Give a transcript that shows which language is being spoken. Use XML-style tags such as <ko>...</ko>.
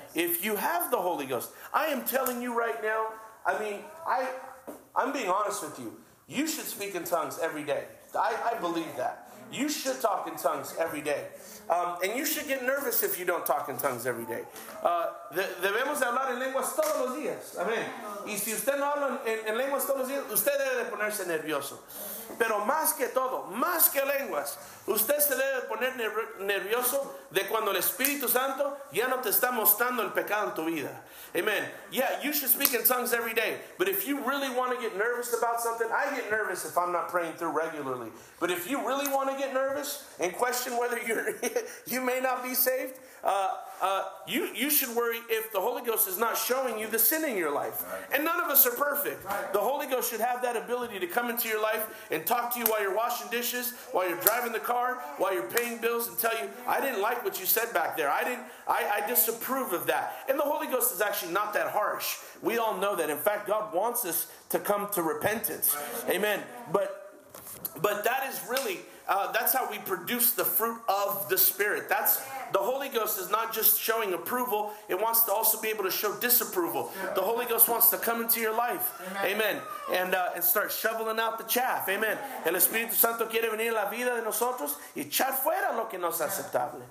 <en>If you have the Holy Ghost, I am telling you right now, I mean, I'm being honest with you. You should speak in tongues every day. I believe that. You should talk in tongues every day. And you should get nervous if you don't talk in tongues every day.</en> <es>Debemos hablar en lenguas todos los días. Amén. Y si usted no habla en lenguas todos los días, usted debe de ponerse nervioso. Pero más que todo, más que lenguas, usted se debe poner nervioso de cuando el Espíritu Santo ya no te está mostrando el pecado en tu vida.</es> <en>Amen. Yeah, you should speak in tongues every day. But if you really want to get nervous about something, I get nervous if I'm not praying through regularly. But if you really want to get nervous and question whether you may not be saved, you should worry if the Holy Ghost is not showing you the sin in your life. Right. And none of us are perfect. Right. The Holy Ghost should have that ability to come into your life and talk to you while you're washing dishes, while you're driving the car, while you're paying bills, and tell you, I didn't like what you said back there. I disapprove of that. And the Holy Ghost is actually not that harsh. We all know that. In fact, God wants us to come to repentance. Right. Amen. But that is really, that's how we produce the fruit of the Spirit. That's, the Holy Ghost is not just showing approval. It wants to also be able to show disapproval. Yeah. The Holy Ghost wants to come into your life. Amen. Amen. And start shoveling out the chaff. Amen. Amen.</en> <es>El Espíritu Santo quiere venir a la vida de nosotros y echar fuera lo que no es aceptable.</es>